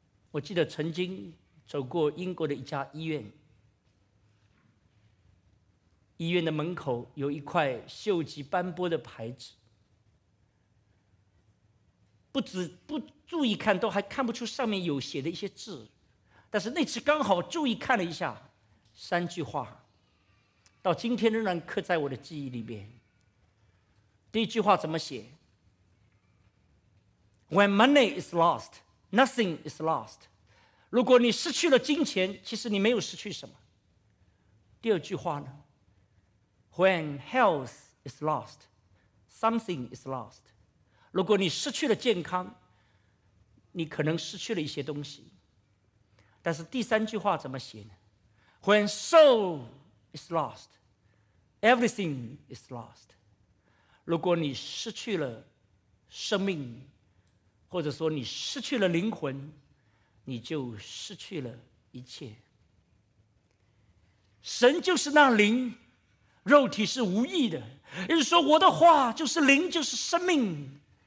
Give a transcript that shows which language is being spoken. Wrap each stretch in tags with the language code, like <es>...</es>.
<zh>我记得曾经走过英国的一家医院，医院的门口有一块锈迹斑驳的牌子，不注意看都还看不出上面有写的一些字，但是那次刚好注意看了一下，三句话到今天仍然刻在我的记忆里面。第一句话怎么写？</zh> <en>When money is lost, nothing is lost.</en> <zh>如果你失去了金钱，其实你没有失去什么。第二句话呢？</zh> <en>When health is lost, something is lost.</en> <zh>如果你失去了健康，你可能失去了一些东西。但是第三句话怎么写呢？</zh> <en>When soul is lost, everything is lost.</en> <zh>如果你失去了生命，或者说你失去了灵魂，你就失去了一切。神就是那灵，肉体是无益的，也就是说我的话就是灵，就是生命。</zh>